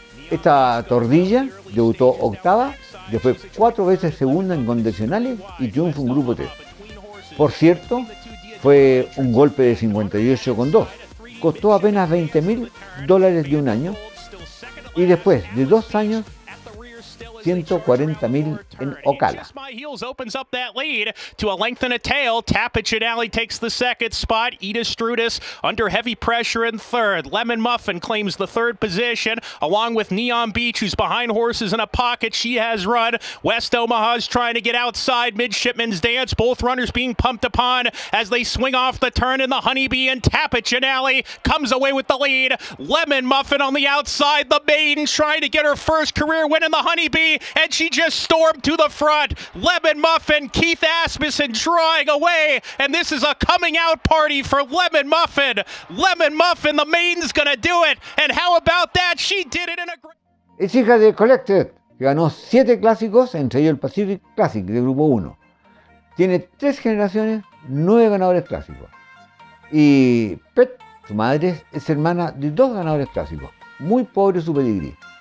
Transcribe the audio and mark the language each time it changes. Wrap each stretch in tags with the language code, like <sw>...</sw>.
<es>Esta tordilla debutó octava, después 4 veces segunda en condicionales y triunfó en grupo 3. Por cierto, fue un golpe de 58,2. Costó apenas $20,000 de un año y después de 2 años, $140,000 en Ocala.</es> <en>To a length and a tail, Tapicinelli takes the second spot. Ida Strudis under heavy pressure in third. Lemon Muffin claims the third position, along with Neon Beach, who's behind horses in a pocket. She has run. West Omaha's trying to get outside Midshipman's Dance. Both runners being pumped upon as they swing off the turn in the Honeybee, and Tapicinelli comes away with the lead. Lemon Muffin on the outside, the maiden trying to get her first career win in the Honeybee. And she just stormed to the front. Lemon Muffin, Keith Asmussen drawing away. And this is a coming out party for Lemon Muffin. Lemon Muffin, the maiden's gonna do it. And how about that? She did it in a great.</en> <es>Es hija de Collected, que ganó 7 clásicos, entre ellos el Pacific Classic de grupo 1. Tiene 3 generaciones, 9 ganadores clásicos. Y Pet, su madre, es hermana de 2 ganadores clásicos. Muy pobre su pedigrí.</es>